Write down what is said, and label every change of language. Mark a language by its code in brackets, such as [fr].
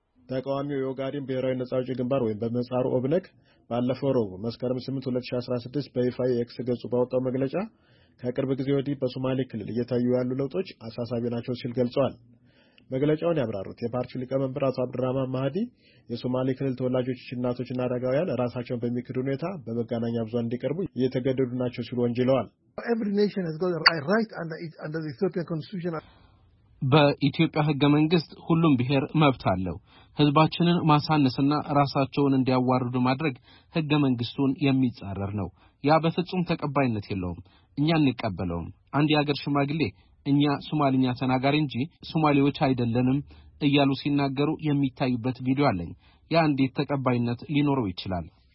[am] ተቃዋሚው የኦጋዴን ብሔራዊ ነጻ አውጪ ግንባር ወይም በመጻሩ ኦብነግ ባለፈው ረቡዕ መስከረም 8 2016 በይፋ የኤክስ ገጹ ባወጣው መግለጫ ከቅርብ ጊዜ ወዲህ በሶማሌ ክልል እየታዩ ያሉ ለውጦች አሳሳቢ ናቸው ሲል ገልጿል። መግለጫውን ያብራሩት የፓርቲው ሊቀመንበር አቶ አብዱራህማን ማሃዲ የሶማሌ ክልል ተወላጆች እናቶችና አረጋውያን ራሳቸውን በሚክዱ ሁኔታ በመገናኛ ብዙሃን እንዲቀርቡ እየተገደዱ ናቸው ሲሉ ወንጅለዋል። [en] Every nation has got a right under the Ethiopian constitution. [am] በኢትዮጵያ ህገ መንግስት ሁሉም ብሔር መብት አለው። ህዝባችንን ማሳነስና ራሳቸውን እንዲያዋርዱ ማድረግ ህገ መንግስቱን የሚጻረር ነው። ያ በፍጹም ተቀባይነት የለውም። እኛ እንቀበለውም። አንድ ያገር ሽማግሌ እኛ ሶማሊኛ ተናጋሪ እንጂ ሶማሌዎች አይደለንም እያሉ ሲናገሩ የሚታዩበት ቪዲዮ አለኝ። ያ እንዴት ተቀባይነት ሊኖረው ይችላል?